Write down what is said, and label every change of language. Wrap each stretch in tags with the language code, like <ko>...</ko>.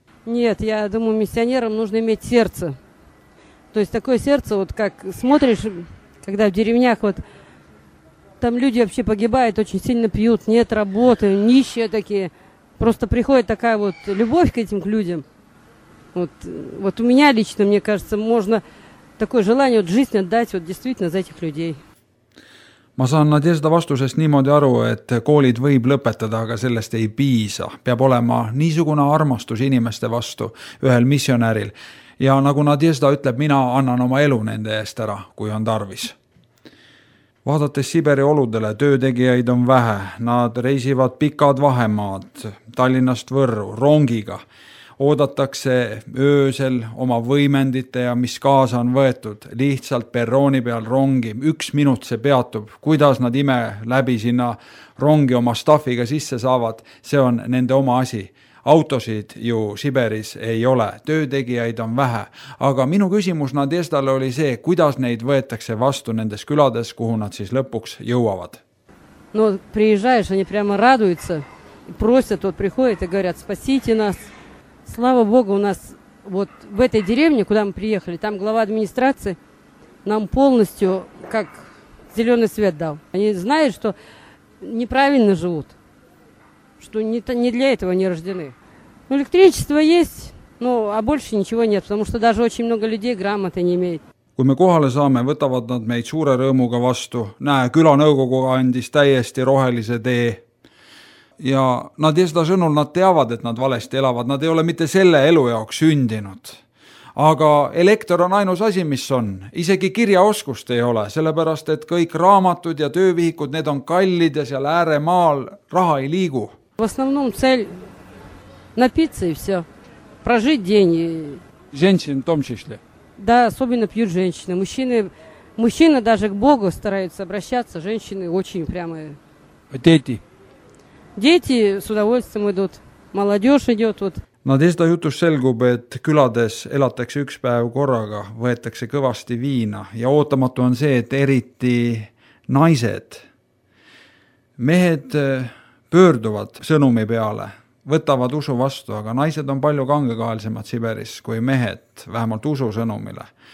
<ru>Нет, я думаю, миссионерам нужно иметь сердце. То есть такое сердце, вот как смотришь, когда в деревнях вот там люди вообще погибают, очень сильно пьют, нет работы, нищие такие. Просто приходит такая вот любовь к этим к людям. Вот у меня лично, мне кажется, можно такое желание вот жизнь отдать вот действительно за этих людей.</ru> <et>Ma saan Nadežda vastusest niimoodi aru, et koolid võib lõpetada, aga sellest ei piisa. Peab olema niisugune armastus inimeste vastu ühel missionäril. Ja nagu Nadežda ütleb, mina annan oma elu nende eest ära, kui on tarvis. Vaadates Siberi oludele, töötegijaid on vähe. Nad reisivad pikad vahemaad Tallinnast Võrru, rongiga. Oodatakse öösel oma võimendite ja mis kaasa on võetud, lihtsalt perrooni peal rongi, üks minut see peatub, kuidas nad ime läbi sinna rongi oma staffiga sisse saavad, see on nende oma asi. Autosid ju Siberis ei ole, töötegijaid on vähe, aga minu küsimus Nadeždale oli see, kuidas neid võetakse vastu nendes külades, kuhu nad siis lõpuks jõuavad.</et> <ru>No, приезжаешь, они прямо радуются, просят, вот приходят и говорят, спасите нас. Слава Богу, у нас вот в этой деревне, куда мы приехали, там глава администрации нам полностью как зеленый свет дал. Они знают, что неправильно живут, что не для этого они рождены. Ну, электричество есть, ну, а больше ничего нет, потому что даже очень много людей грамоты не имеют.</ru> <et>Kui me kohale saame, võtavad nad meid suure rõõmuga vastu. Näe, külanõukogu andis täiesti rohelise tee. Ja nad seda sõnul nad teavad, et nad valesti elavad. Nad ei ole mitte selle elu jaoks sündinud. Aga elektor on ainus asi, mis on. Isegi kirjaoskust ei ole, sellepärast, et kõik raamatud ja töövihikud, need on kallid ja seal ääre maal raha ei liigu.</et> <ru>В основном цель напиться и все. Прожить день. Женщин в том числе. Да, особенно пьют женщины. Мужчины даже к Богу стараются обращаться. Женщины очень прямо... Дети. Дети с удовольствием идут, молодежь идет. Вот.</ru> <et>Nadežda jutus selgub, et külades elatakse üks päev korraga, võetakse kõvasti viina ja ootamatu on see, et eriti naised, mehed pöörduvad sõnumi peale, võtavad usu vastu, aga naised on palju kangekaelsemad Siberis kui mehed, vähemalt usu sõnumile.</et>